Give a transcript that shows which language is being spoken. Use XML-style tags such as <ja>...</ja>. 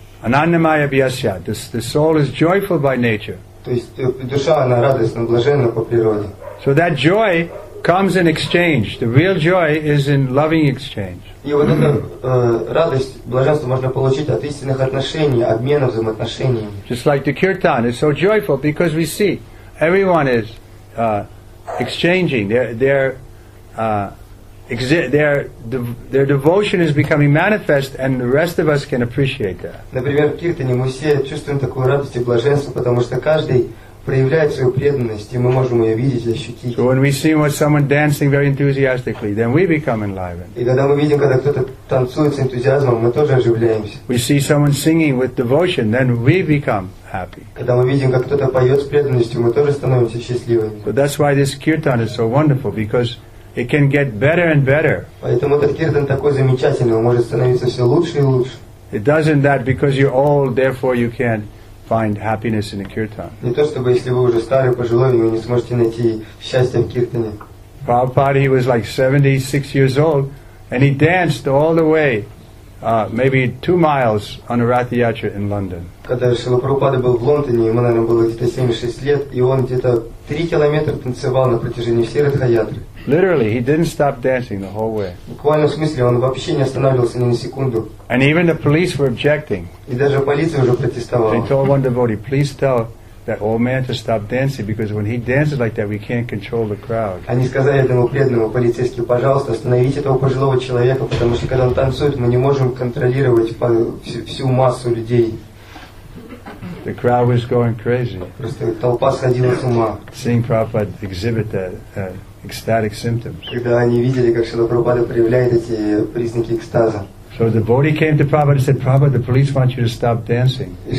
<sa>Ананамая бьясья.</sa> <en>The soul is joyful by nature.</en> <ru>То есть душа, она радостна, блаженна по природе.</ru> <en>So that joy comes in exchange. The real joy is in loving exchange.</en> <ru>И вот эта радость, блаженство можно получить от истинных отношений, обмена взаимоотношениями.</ru> <en>Just like the kirtan is so joyful because we see everyone is exchanging their devotion is becoming manifest, and the rest of us can appreciate that.</en> <ru>Например, в киртане мы все чувствуем такую радость и блаженство, потому что каждый проявляет свою преданность, и мы можем ее видеть, ощутить.</ru> <en>So when we see someone dancing very enthusiastically, then we become enlivened.</en> <ru>И когда мы видим, когда кто-то танцует с энтузиазмом, мы тоже оживляемся.</ru> <en>We see someone singing with devotion, then we become happy.</en> <ru>Когда мы видим, как кто-то поет с преданностью, мы тоже становимся счастливыми.</ru> <en>So that's why this kirtan is so wonderful, because it can get better and better.</en> <ru>Поэтому этот киртан такой замечательный, он может становиться все лучше и лучше.</ru> <en>It doesn't that because you're old, therefore you can't find happiness in a kirtan.</en> <ru>Не то чтобы если вы уже старый пожилой, вы не сможете найти счастье в киртане.</ru> <en>Prabhupada, he was like 76 years old, and he danced all the way, maybe 2 miles on a Ratha Yatra in London.</en> <ru>Когда Шрила Прабхупада был в Лондоне, ему наверное было где-то 76 лет, и он где-то 3 километра танцевал на протяжении всей Ратха Ятры.</ru> <en>Literally, he didn't stop dancing the whole way.</en> <ru>Буквально в смысле, он вообще не останавливался ни на секунду.</ru> <en>And even the police were objecting.</en> <ru>И даже полиция уже протестовала.</ru> <en>They told one devotee, please tell that old man to stop dancing, because when he dances like that, we can't control the crowd.</en> <ru>Они сказали этому преданному полицейскому, пожалуйста, остановите этого пожилого человека, потому что когда он танцует, мы не можем контролировать всю массу людей.</ru> <en>The crowd was going crazy.</en> <ru>Просто толпа сходила с ума.</ru> <en>Seeing Prabhupada exhibit that ecstatic symptoms.</en> <ru>Когда они видели, как Шрила Прабхупада проявляет эти признаки экстаза.</ru> <en>So the devotee came to Prabhupada and said, Prabhupada, the police want you to stop dancing.</en>